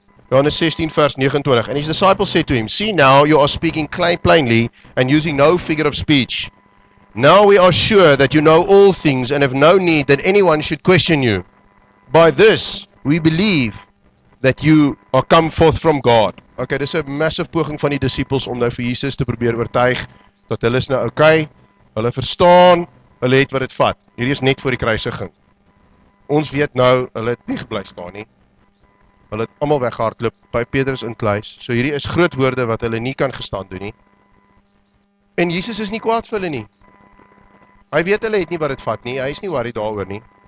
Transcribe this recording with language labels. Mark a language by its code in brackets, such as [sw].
[af] Johannes 16 vers 29, [en] and his disciples said to him, see now you are speaking plainly and using no figure of speech. Now we are sure that you know all things and have no need that anyone should question you. By this we believe that you are come forth from God. [af] Okay, dis 'n massive poging van die disciples om nou vir Jesus te probeer oortuig dat hulle is nou okay, hulle verstaan, hulle het wat dit vat. Hierdie is net voor die kruisiging. Ons weet nou, hulle het nie gebly staan nie. Hulle het allemaal weggehardloop by Petrus in kluis. So hierdie is groot woorde wat hulle nie kan gestaan doen nie. En Jesus is nie kwaad vir hulle nie. Hy weet hulle het nie wat het vat nie. Hy is nie worried daaroor nie.